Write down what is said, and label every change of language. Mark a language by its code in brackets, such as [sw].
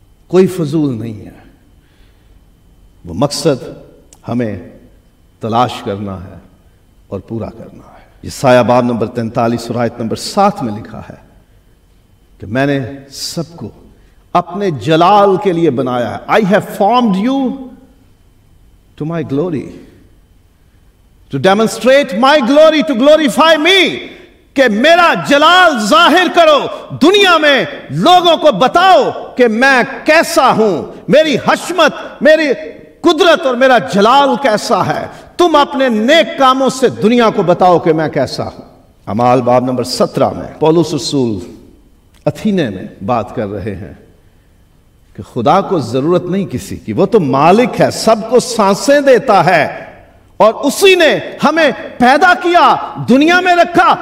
[ur] کوئی فضول نہیں ہے. وہ مقصد ہمیں تلاش کرنا ہے اور پورا کرنا ہے. یسایا باب نمبر 43 اور آیت نمبر 7 میں لکھا ہے کہ میں نے سب کو اپنے جلال کے لیے بنایا ہے. [en] I have formed you to my glory, to demonstrate my glory, to glorify me. [ur] کہ میرا جلال ظاہر کرو دنیا میں, لوگوں کو بتاؤ کہ میں کیسا ہوں, میری حشمت, میری قدرت اور میرا جلال کیسا ہے. تم اپنے نیک کاموں سے دنیا کو بتاؤ کہ میں کیسا ہوں. اعمال باب نمبر 17 میں پولس رسول اتھینے میں بات کر رہے ہیں کہ خدا کو ضرورت نہیں کسی کی, وہ تو مالک ہے, سب کو سانسیں دیتا ہے, اور اسی نے ہمیں پیدا کیا, دنیا میں رکھا.